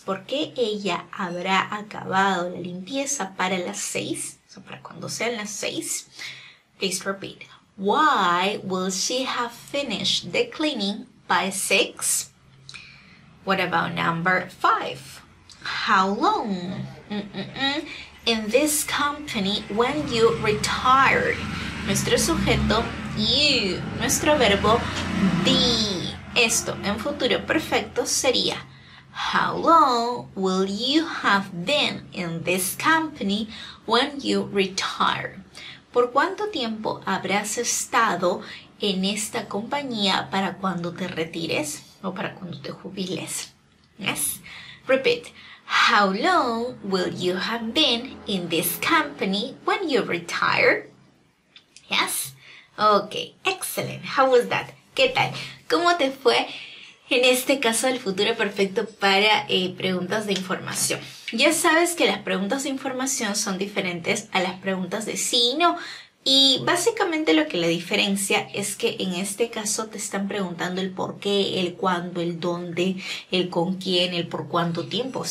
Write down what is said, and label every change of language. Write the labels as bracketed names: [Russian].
[Spanish] ¿Por qué ella habrá acabado la limpieza para las seis? O sea, para cuando sean las seis. [English] Please repeat. Why will she have finished the cleaning by six? What about number five? How long? In this company, when you retire? [Spanish] Nuestro sujeto, you. Nuestro verbo, be. Esto en futuro perfecto sería: [English] How long will you have been in this company when you retire? [Spanish] ¿Por cuánto tiempo habrás estado en esta compañía para cuando te retires o para cuando te jubiles? [English] Yes. Repeat. How long will you have been in this company when you retire? Yes. Okay. Excellent. How was that? [Spanish] ¿Qué tal? ¿Cómo te fue en este caso del futuro perfecto para preguntas de información? Ya sabes que las preguntas de información son diferentes a las preguntas de sí y no. Y básicamente lo que la diferencia es que en este caso te están preguntando el por qué, el cuándo, el dónde, el con quién, el por cuánto tiempo.